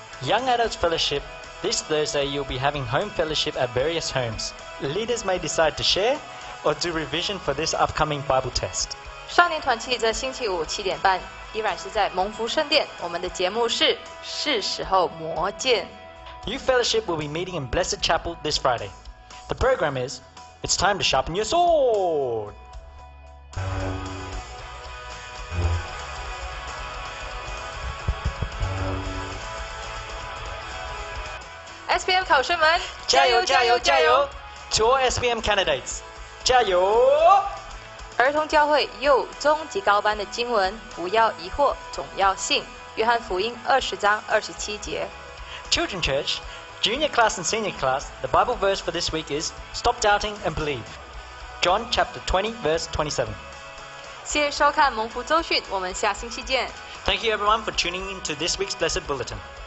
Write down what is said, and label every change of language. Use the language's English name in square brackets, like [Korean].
[English] Young adults fellowship this Thursday you'll be having home fellowship at various homes. Leaders may decide to share. Or do revision for this upcoming Bible test. [Chinese] 少年团契这星期五七点半依然是在蒙福圣殿，我们的节目是是时候磨剑。 [English] Youth fellowship will be meeting in Blessed Chapel this Friday. The program is, it's time to sharpen your sword. [Chinese] SPM 考生们，加油加油加油 [English] ！To all SPM candidates. [Chinese] 加油！儿童教会幼中及高班的经文，不要疑惑，总要信。约翰福音二十章二十七节。 [English] Children Church, Junior Class and Senior Class, the Bible verse for this week is "Stop doubting and believe." John chapter 20 verse 27. [Chinese] 谢谢收看蒙福周讯，我们下星期见。 [English] Thank you everyone for tuning in to this week's blessed bulletin.